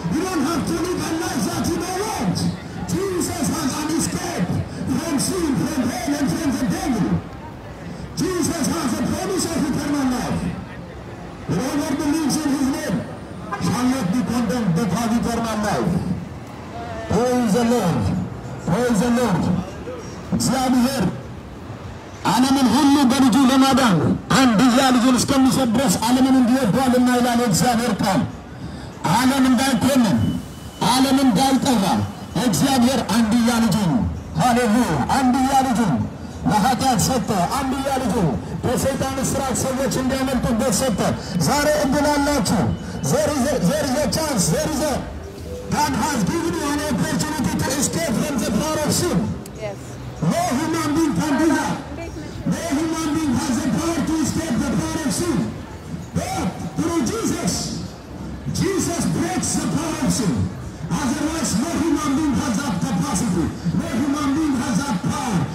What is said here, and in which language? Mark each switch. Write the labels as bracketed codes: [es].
[en] You don't have to live a life that you don't want. Jesus has an escape from sin, from hell, and from the devil. Jesus has a promise of eternal life. Whoever believes in His name shall not be condemned but have eternal life. Praise the Lord. Praise the Lord. [am] እግዚአብሔር ዓለምን ሁሉ በልጁ ለማዳን አንድያ ልጁን እስከሚሰጥ ድረስ ዓለምን እንዲወደዋልና ይላል እግዚአብሔር ቃል። ዓለም እንዳይኮንን፣ ዓለም እንዳይጠፋ እግዚአብሔር አንድያ ልጁን ሃሌሉያ፣ አንድያ ልጁን ለኃጢአት ሰጠ። አንድያ ልጁን በሰይጣን እስራት ሰዎች እንዲያመልጡበት ሰጠ። ዛሬ እንድናላችሁ [en] ዘርዘ ቻንስ ዘርዘ God has given you an opportunity to escape from the power of sin. Yes. No human being can do that. No human being has the power to escape the power of sin. But through Jesus, Jesus breaks the power of sin. Otherwise, no human being has that capacity. No human being has that power.